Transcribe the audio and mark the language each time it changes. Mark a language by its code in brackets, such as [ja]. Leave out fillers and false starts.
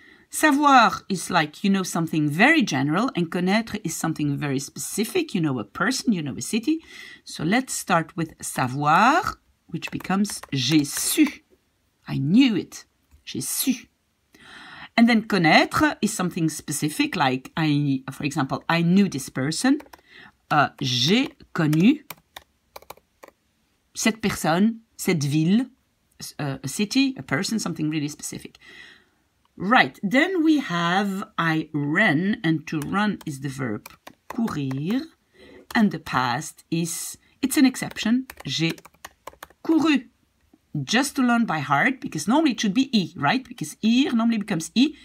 [en] Savoir is like you know something very general, and connaître is something very specific. You know a person, you know a city. So let's start with savoir, which becomes [fr] j'ai su. [en] I knew it. [fr] J'ai su. [en] And then connaître is something specific, like, I knew this person. [fr] J'ai connu cette personne, cette ville, [en] a city, a person, something really specific. Right, then we have I ran, and to run is the verb courir, and the past is, it's an exception, [fr] j'ai couru. [en] Just to learn by heart, because normally it should be I, right? Because ir normally becomes I.